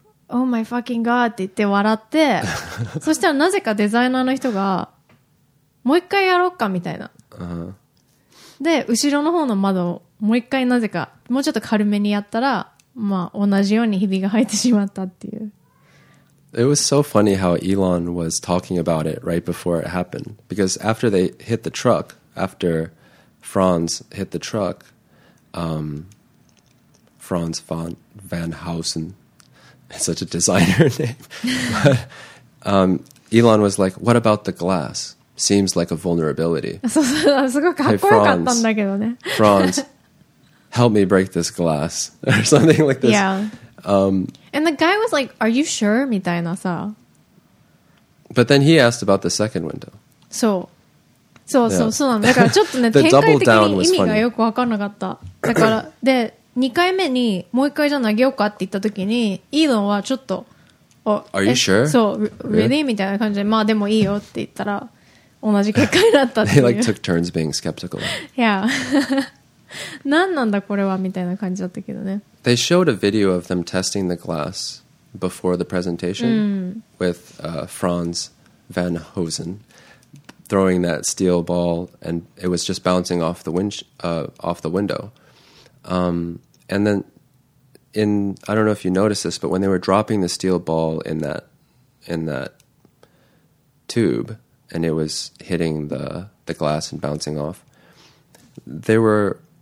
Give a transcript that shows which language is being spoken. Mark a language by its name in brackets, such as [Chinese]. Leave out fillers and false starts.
[English] Oh my fucking god [Japanese] って言って笑って、そしたらなぜかデザイナーの人が、もう一回やろうかみたいな。で、後ろの方の窓をもう一回なぜか、もうちょっと軽めにやったら、まあ、同じようにひびが入ってしまったっていう。 [English] It was so funny how Elon was talking about it right before it happened. Because after they hit the truck, after Franz hit the truck, Franz van Housen, such a designer name. But, Elon was like, what about the glass? Seems like a vulnerability. [Japanese] そうそう、すごいかっこよかったんだけどね。 [English] Franz, help me break this glass or something like this. Yeah. And the guy was like, are you sure? [Japanese] みたいなさ。 [English] But then he asked about the second window. [Japanese] そう。そうそう、そうなんだ。だからちょっとね、展開的に意味がよくわかんなかった。だから、で、2回目にもう1回じゃ投げようかって言った時に、イーロンはちょっと、 [English] Are you sure? [Japanese] そう、 [English] really? [Japanese] みたいな感じで、まあでもいいよって言ったら、同じ結果になったっていう。 [English] They like took turns being skeptical. Yeah. [Japanese] 何なんだこれはみたいな感じだったけどね。 [English] They showed a video of them testing the glass before the presentation、with Franz van Housen throwing that steel ball and it was just bouncing off the, off the window.、and then, in, I don't know if you noticed this, but when they were dropping the steel ball in that tube and it was hitting the glass and bouncing off, there were...